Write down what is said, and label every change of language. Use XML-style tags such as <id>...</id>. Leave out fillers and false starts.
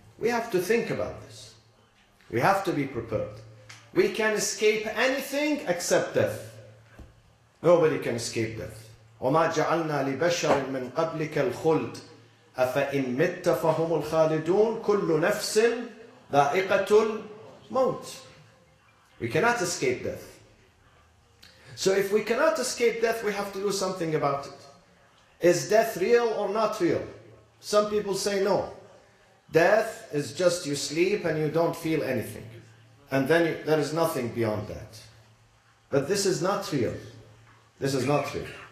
<en>We have to think about this. We have to be prepared. We can escape anything except death. Nobody can escape death.</en> <ar>وَمَا جَعَلْنَا لِبَشَرٍ مِّن قَبْلِكَ الْخُلْدِ أَفَإِن مِتَّ فَهُمُ الْخَالِدُونَ كُلُّ نَفْسٍ ذَائِقَةُ الْمَوْتِ.</ar> <en>We cannot escape death. So if we cannot escape death, we have to do something about it. Is death real or not real? Some people say no. Death is just you sleep and you don't feel anything. And then there is nothing beyond that. But this is not real. This is not true.</en>